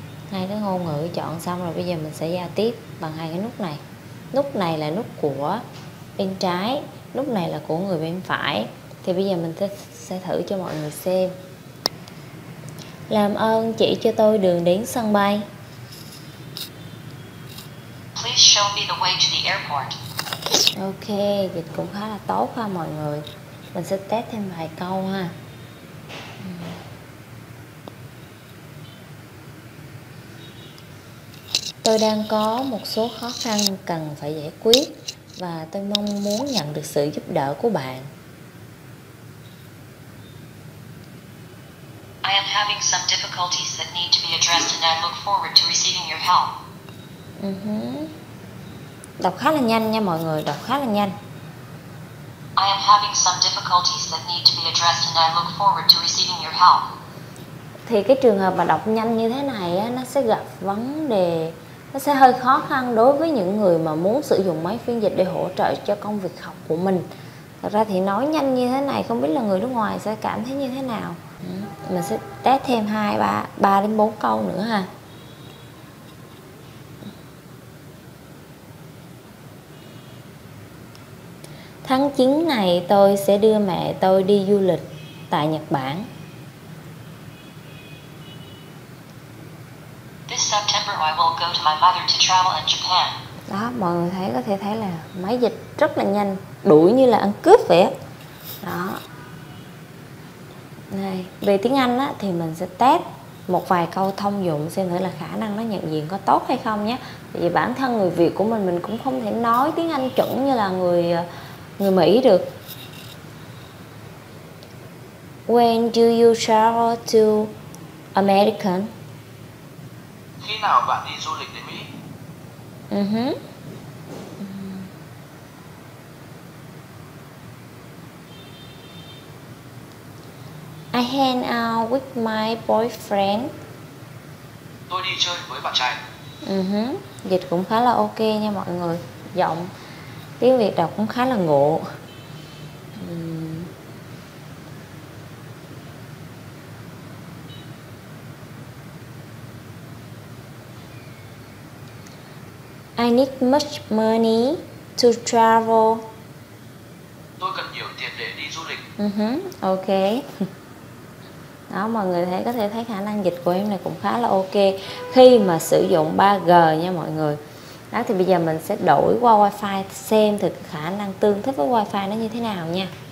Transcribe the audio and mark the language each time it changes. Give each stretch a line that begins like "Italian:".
Vietnamese: Hai cái ngôn ngữ chọn xong rồi, bây giờ mình sẽ giao tiếp bằng hai cái nút này. Nút này là nút của bên trái, nút này là của người bên phải. Thì bây giờ mình sẽ thử cho mọi người xem. Làm ơn chỉ cho tôi đường đến sân bay.
English: Please show me the way to the airport.
Vietnamese: Ok, dịch cũng khá là tốt ha mọi người. Mình sẽ test thêm vài câu ha. Tôi đang có một số khó khăn cần phải giải quyết và tôi mong muốn nhận được sự giúp đỡ của bạn.
English: I am having some difficulties that need to be addressed and I look forward to receiving your help.
Vietnamese: Đọc khá là nhanh nha mọi người, đọc khá là nhanh.
English: I am having some difficulties that need to be addressed and I look forward to receiving your help.
Vietnamese: Thì cái trường hợp mà đọc nhanh như thế này á, nó sẽ gặp vấn đề, nó sẽ hơi khó khăn đối với những người mà muốn sử dụng máy phiên dịch để hỗ trợ cho công việc học của mình. Thật ra thì nói nhanh như thế này không biết là người nước ngoài sẽ cảm thấy như thế nào. Mình sẽ test thêm 3 đến 4 câu nữa ha. Tháng 9 này tôi sẽ đưa mẹ tôi đi du lịch tại Nhật Bản.
English: This September I will go to my mother to travel in Japan.
Vietnamese: Đó, mọi người thấy, có thể thấy là máy dịch rất là nhanh, đuổi như là ăn cướp vậy. Đó. Này, về tiếng Anh á thì mình sẽ test một vài câu thông dụng xem thử là khả năng nó nhận diện có tốt hay không nhé. Vì bản thân người Việt của mình cũng không thể nói tiếng Anh chuẩn như là người người Mỹ được.
English: When do you travel to America?
Vietnamese: Khi nào bạn đi du lịch đến Mỹ?
English: I hang out with my boyfriend.
Vietnamese: Tôi đi chơi với bạn trai. Dịch cũng khá là ok nha mọi người. Giọng tiếng Việt đọc cũng khá là ngộ.
English: I need much money to travel.
Vietnamese: Tôi cần nhiều tiền để đi du lịch.
English: Ok.
Vietnamese: Đó, mọi người thấy có thể thấy khả năng dịch của em này cũng khá là ok khi mà sử dụng 3G nha mọi người. Đó, thì bây giờ mình sẽ đổi qua Wi-Fi xem thực khả năng tương thích với Wi-Fi nó như thế nào nha.